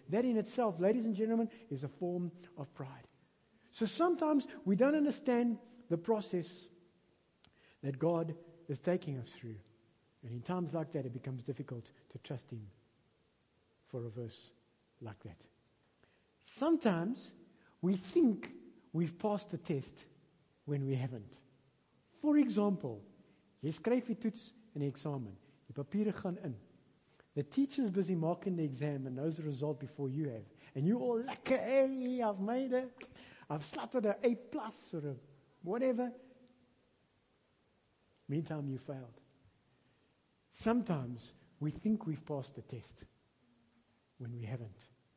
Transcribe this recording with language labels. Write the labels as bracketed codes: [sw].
[en] That in itself, ladies and gentlemen, is a form of pride. So sometimes we don't understand the process that God is taking us through. And in times like that, it becomes difficult to trust Him for a verse like that. Sometimes we think we've passed the test when we haven't. For example, [af] jy skryf die toets in die eksamen. Die papiere gaan in. [en] The teacher is busy marking the exam and knows the result before you have. And you all lekker, hey, I've made it. I've slotted an A plus or a whatever. Meantime, you failed. Sometimes we think we've passed the test when we haven't.